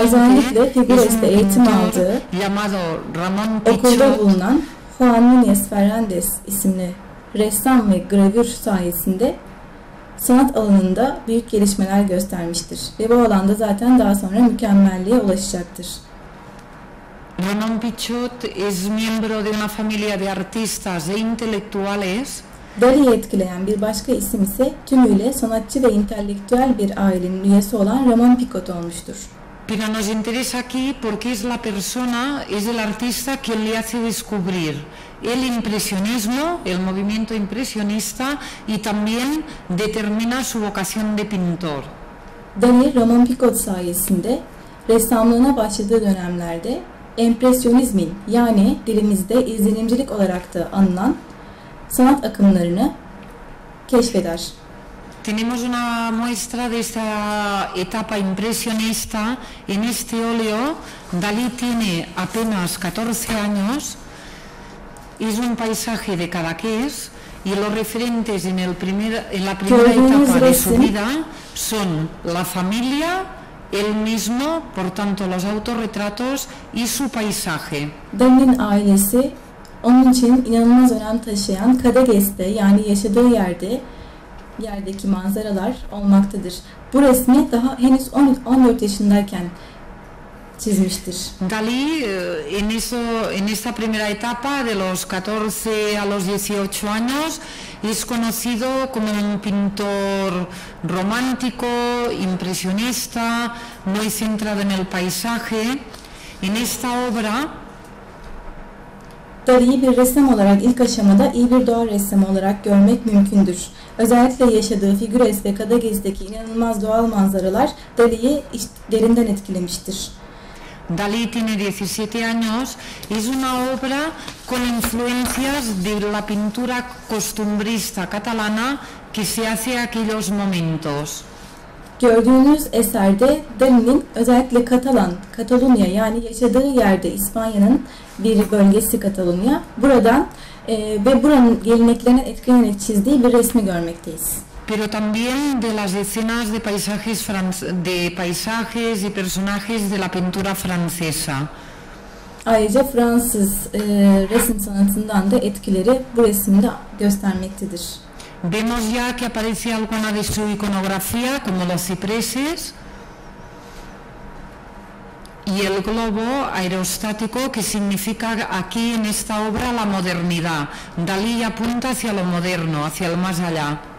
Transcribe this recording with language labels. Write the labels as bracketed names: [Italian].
[Turkish] özellikle Figueras'ta eğitim aldığı [Spanish] llamado Ramón [Turkish] okulda bulunan Juan Núñez Fernández isimli ressam ve gravür sayesinde sanat alanında büyük gelişmeler göstermiştir. Ve bu alanda zaten daha sonra mükemmelliğe ulaşacaktır. [Spanish] Ramón Pichot es miembro de una familia de artistas e intelectuales. [Turkish] Dalí'yi etkileyen bir başka isim ise tümüyle sanatçı ve intelektüel bir ailenin üyesi olan Ramón Picot olmuştur. [Spanish] Pero nos interesa aquí porque es la persona, es el artista quien le hace descubrir el impresionismo, el movimiento impresionista y también determina su vocación de pintor. [Turkish] Dalí, Ramón Picot sayesinde ressamlığına başladığı dönemlerde empresyonizmin yani dilimizde izlenimcilik olarak da anılan sanat akımlarını keşfeder. [Spanish] Tenemos una muestra de esta etapa impresionista en este óleo. Dalí tiene apenas 14 años. Es un paisaje de Cadaqués y los referentes en el primer en la primera etapa de su vida son la familia, él mismo, por tanto los autorretratos y su paisaje. [Turkish] Dan'ın ailesi onun için inanılmaz önem taşıyan Kadeges'te yani yaşadığı yerde yerdeki manzaralar olmaktadır. Bu resmi daha henüz 14 yaşındayken çizmiştir. [Spanish] Dalí en eso en esta primera etapa de los 14 a los 18 años es conocido como un pintor romántico, impresionista, muy centrado en el paisaje. En esta obra [Turkish] Dalí bir resim olarak ilk aşamada iyi bir doğa ressamı olarak görmek mümkündür. Özellikle yaşadığı Figueres ve Cadagués'teki inanılmaz doğal manzaralar Dalí'yi derinden etkilemiştir. [Spanish] Dalí tiene 17 años, es una obra con influencias de la pintura costumbrista catalana que se hace aquellos momentos. [Turkish] Gördüğünüz eserde Dalí'nin özellikle Katalan, Katalonya yani yaşadığı yerde İspanya'nın bir bölgesi Katalonya, buradan ve buranın geleneklerine etkilenerek çizdiği bir resmi görmekteyiz. [Spanish] Pero también de las escenas de paisajes y personajes de la pintura francesa. [Turkish] Ayrıca Fransız resim sanatından da etkileri bu resimde göstermektedir. [Spanish] Vemos ya que aparece alguna de su iconografía como los cipreses y el globo aerostático que significa aquí en esta obra la modernidad. Dalí apunta hacia lo moderno, hacia el más allá.